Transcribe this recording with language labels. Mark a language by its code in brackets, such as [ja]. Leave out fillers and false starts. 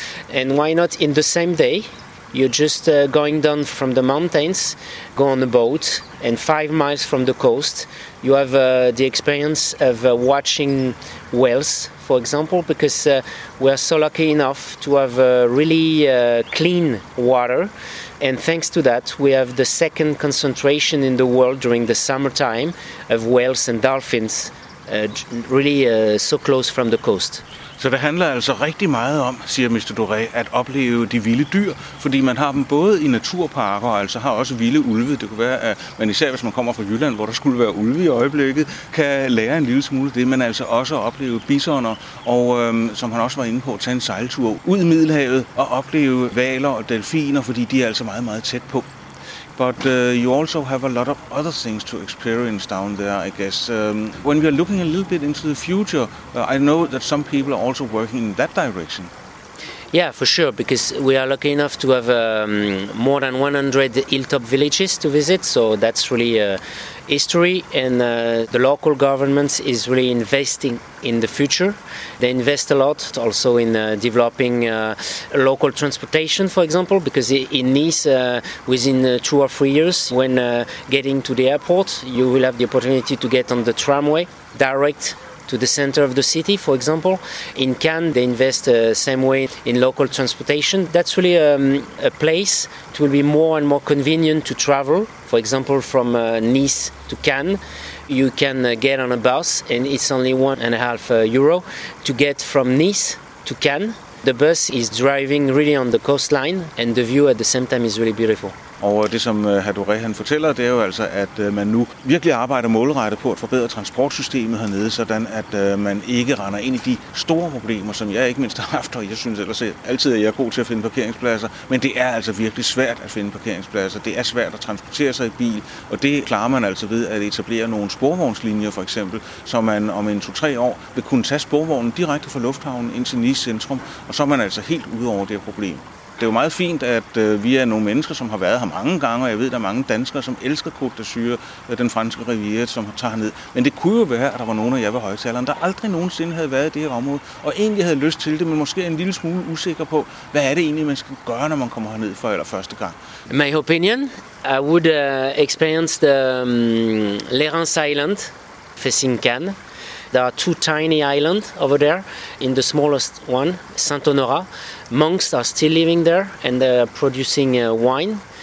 [en] And why not in the same day, you're just going down from the mountains, go on a boat, and 5 miles from the coast, you have the experience of watching whales, for example, because we are so lucky enough to have really clean water. And thanks to that, we have the second concentration in the world during the summertime of whales and dolphins, really so close from the coast. [da] Så det handler altså rigtig meget om, siger Mr. Doré, at opleve de vilde dyr, fordi man har dem både i naturparker og altså har også vilde ulve. Det kunne være, at man især hvis man kommer fra Jylland, hvor der skulle være ulve i øjeblikket, kan lære en lille smule det, men altså også at opleve bisoner, og som han også var inde på, tage en sejltur ud i Middelhavet og opleve hvaler og delfiner, fordi de er altså meget, meget tæt på. [en] But you also have a lot of other things to experience down there, I guess. When we are looking a little bit into the future, I know that some people are also working in that direction. Yeah, for sure, because we are lucky enough to have more than 100 hilltop villages to visit, so that's really history, and the local government is really investing in the future. They invest a lot also in developing local transportation, for example, because in Nice, within 2 or 3 years, when getting to the airport, you will have the opportunity to get on the tramway direct to the center of the city, for example. In Cannes, they invest the same way in local transportation. That's really a place it will be more and more convenient to travel. For example, from Nice to Cannes, you can get on a bus, and it's only 1.5 euro to get from Nice to Cannes. The bus is driving really on the coastline, and the view at the same time is really beautiful. [da] Og det, som Hadouré han fortæller, det er jo altså, at man nu virkelig arbejder målrettet på at forbedre transportsystemet hernede, sådan at man ikke render ind i de store problemer, som jeg ikke mindst har haft, og jeg synes ellers altid, at jeg er god til at finde parkeringspladser. Men det er altså virkelig svært at finde parkeringspladser. Det er svært at transportere sig i bil, og det klarer man altså ved at etablere nogle sporvognslinjer, for eksempel, så man om 2-3 år vil kunne tage sporvognen direkte fra lufthavnen ind til Nice centrum, og så er man altså helt ude over det problem. Det er jo meget fint, at vi er nogle mennesker, som har været her mange gange, og jeg ved, at der er mange danskere, som elsker Côte d'Azur, den franske riviera, som tager ned. Men det kunne jo være, at der var nogen af jer ved højtaleren, der aldrig nogensinde havde været i det her område, og egentlig havde lyst til det, men måske en lille smule usikker på, hvad er det egentlig, man skal gøre, når man kommer herned for eller første gang. [en] My opinion, I would experience the Lérance Island facing Cannes. There are two tiny islands over there. In the smallest one, Saint-Honorat, monks are still living there and they're producing wine.